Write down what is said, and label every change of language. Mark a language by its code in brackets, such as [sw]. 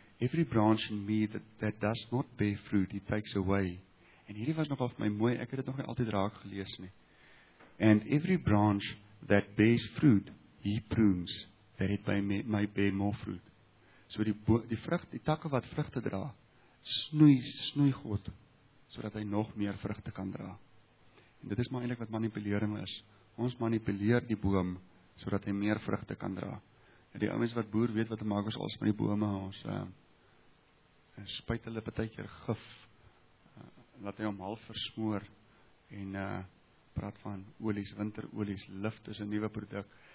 [en] Every branch in me that does not bear fruit, he takes away. [af] En hierdie was nogal vir my mooi, ek het dit nog nie altyd raak gelees nie. [en] And every branch that bears fruit, he prunes, that it may bear more fruit. [af] So die takke wat vrugte dra, snoei God, sodat hy nog meer vrugte kan dra. En dit is maar eintlik wat manipulering is. Ons manipuleer die boom sodat hy meer vrugte kan dra. En die ouens wat boer weet wat te maak is als met die bome, ons spuit hulle partykeer gif, laat hy hom half versmoor en praat van olies, winterolies, lift is 'n nuwe produk.